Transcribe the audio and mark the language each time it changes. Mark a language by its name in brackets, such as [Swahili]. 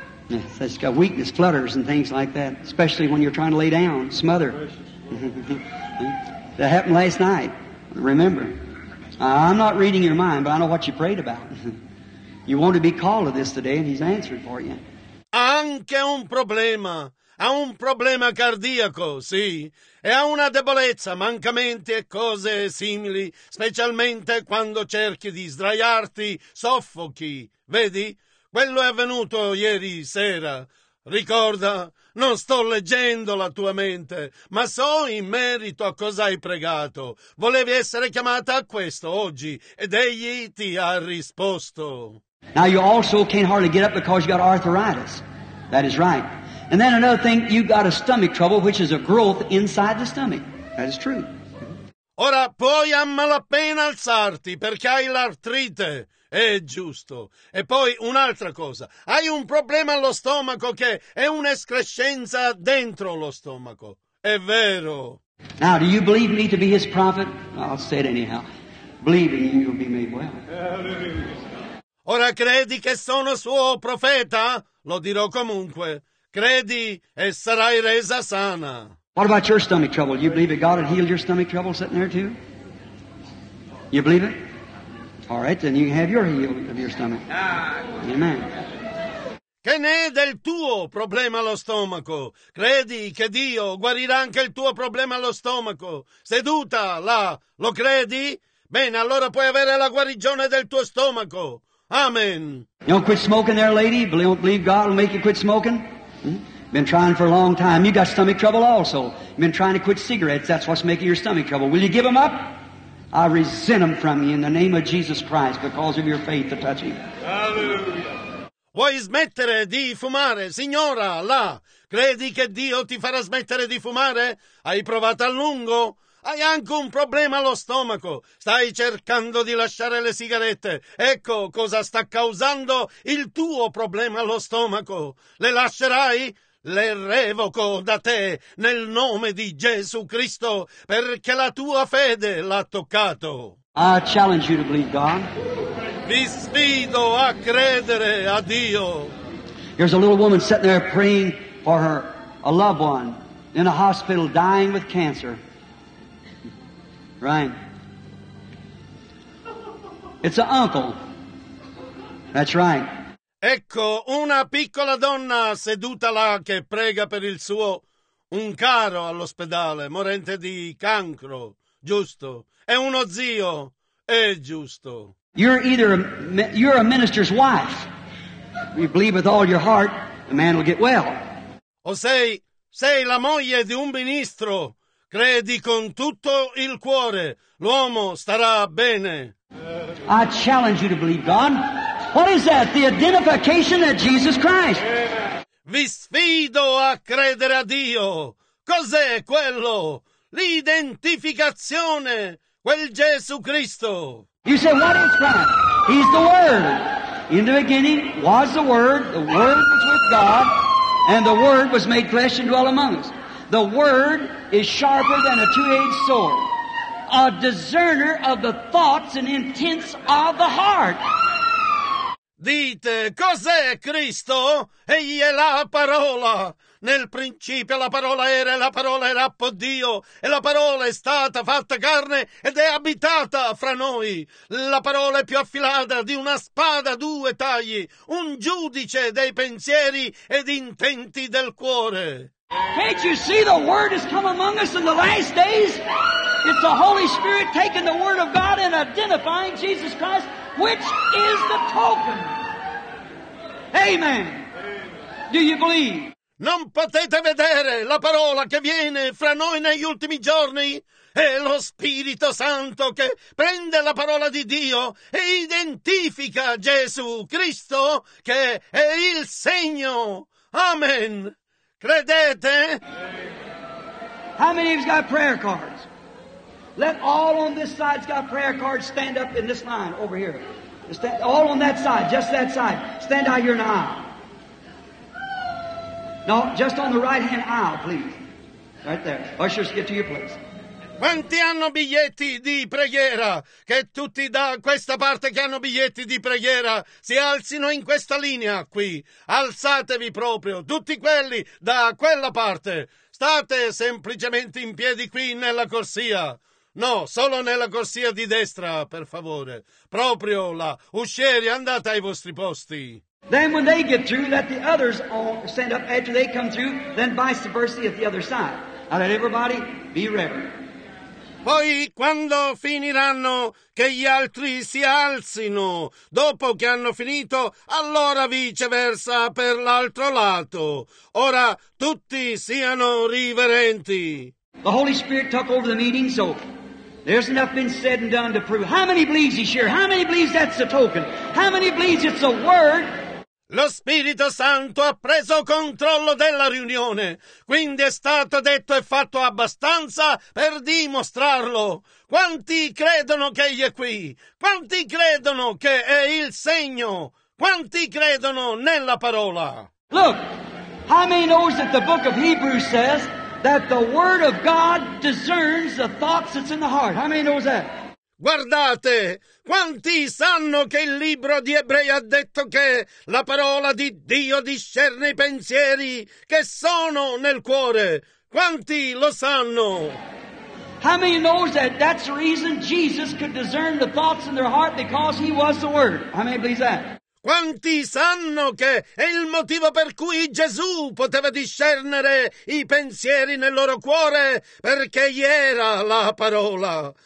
[English] Yeah, so she's got weakness, flutters, and things like that, especially when you're trying to lay down, smother. That happened last night. Remember. I'm not reading your mind, but I know what you prayed about. You want to be called to this today, and he's answered for you. [Italian] Anche un problema. Ha un problema cardiaco, sì. E ha una debolezza, mancamenti e cose simili, specialmente quando cerchi di sdraiarti, soffochi. Vedi? Quello è avvenuto ieri sera. Ricorda, non sto leggendo la tua mente, ma so in merito a cosa hai pregato. Volevi essere chiamata a questo oggi, ed egli ti ha risposto. [English] Now you also can't hardly get up because you got arthritis. That is right. And then another thing, you've got a stomach trouble, which is a growth inside the stomach. That is true. [Italian] Ora puoi a malapena alzarti perché hai l'artrite. È giusto. E poi un'altra cosa. Hai un problema allo stomaco che è un'escrescenza dentro lo stomaco. È vero. [English] Now, do you believe me to be his prophet? I'll say it anyhow. Believe in you, you'll be made well. [Italian] Ora credi che sono suo profeta? Lo dirò comunque. Credi e sarai resa sana. [English] What about your stomach trouble? You believe that God had healed your stomach trouble sitting there too? You believe it? All right, then you can have your healing of your stomach. Amen. [Italian] Che ne è del tuo problema allo stomaco? Credi che Dio guarirà anche il tuo problema allo stomaco? Seduta là, lo credi? Bene, allora puoi avere la guarigione del tuo stomaco. Amen. [English] You don't quit smoking there, lady? Believe God will make you quit smoking? Been trying for a long time. You got stomach trouble also. Been trying to quit cigarettes. That's what's making your stomach trouble. Will you give them up? I resent them from you in the name of Jesus Christ because of your faith to touch him. Hallelujah. [Italian] Vuoi smettere di fumare? Signora, là, credi che Dio ti farà smettere di fumare? Hai provato a lungo? Hai anche un problema allo stomaco. Stai cercando di lasciare le sigarette. Ecco cosa sta causando il tuo problema allo stomaco. Le lascerai? Le revoco da te nel nome di Gesù Cristo perché la tua fede l'ha toccato. [English] I challenge you to believe God. [Italian] Vi sfido a credere a Dio. [English] There's a little woman sitting there praying for her a loved one in a hospital dying with cancer. Right. It's an uncle. That's right. [Italian] Ecco una piccola donna seduta là che prega per il suo un caro all'ospedale, morente di cancro. Giusto. È uno zio. È giusto. [English] You're a minister's wife. You believe with all your heart, the man will get well. [Italian] O sei la moglie di un ministro. Credi con tutto il cuore, l'uomo starà bene. [English] I challenge you to believe God. What is that? The identification of Jesus Christ. [Italian] Vi sfido a credere a Dio. Cos'è quello? L'identificazione, quel Gesù Cristo. [English] You say, what is that? He's the Word. In the beginning was the Word was with God, and the Word was made flesh and dwelt among us. The Word is sharper than a two-edged sword, a discerner of the thoughts and intents of the heart. [Italian] Dite, cos'è Cristo? Egli è la parola. Nel principio la parola era, e la parola era con Dio, e la parola è stata fatta carne ed è abitata fra noi. La parola è più affilata di una spada a due tagli, un giudice dei pensieri ed intenti del cuore. [English] Can't you see the Word has come among us in the last days? It's the Holy Spirit taking the Word of God and identifying Jesus Christ, which is the token. Amen. Do you believe? [Italian] Non potete vedere la parola che viene fra noi negli ultimi giorni? È lo Spirito Santo che prende la parola di Dio e identifica Gesù Cristo, che è il segno. Amen. Credete? [English] How many of you got prayer cards? Let all on this side's got prayer cards stand up in this line over here. Stand, all on that side, just that side. Stand out here in the aisle. No, just on the right-hand aisle, please. Right there. Ushers, get to your place. [Italian] Quanti hanno biglietti di preghiera? Che tutti da questa parte che hanno biglietti di preghiera si alzino in questa linea qui. Alzatevi proprio, tutti quelli da quella parte. State semplicemente in piedi qui nella corsia. No, solo nella corsia di destra, per favore. Proprio là. Uscieri, andate ai vostri posti. [English] Then when they get through, let the others all stand up. After they come through, then vice versa at the other side. Now let everybody be reverent. [Italian] Poi, quando finiranno, che gli altri si alzino. Dopo che hanno finito, allora viceversa per l'altro lato. Ora tutti siano riverenti. [English] The Holy Spirit took over the meeting, so there's enough been said and done to prove. How many believes he's here? How many believes that's a token? How many believes it's a word? [Italian] Lo Spirito Santo ha preso controllo della riunione, quindi è stato detto e fatto abbastanza per dimostrarlo. Quanti credono che egli è qui? Quanti credono che è il segno? Quanti credono nella parola? [English] Look, how many knows that the book of Hebrews says that the word of God discerns the thoughts that's in the heart? How many knows that? [Italian] Guardate, quanti sanno che il libro di Ebrei ha detto che la parola di Dio discerne i pensieri che sono nel cuore? Quanti lo sanno? [English] How many knows that that's the reason Jesus could discern the thoughts in their heart because he was the word? How many believes that? [Italian] Quanti sanno che è il motivo per cui Gesù poteva discernere i pensieri nel loro cuore? Perché gli era la parola.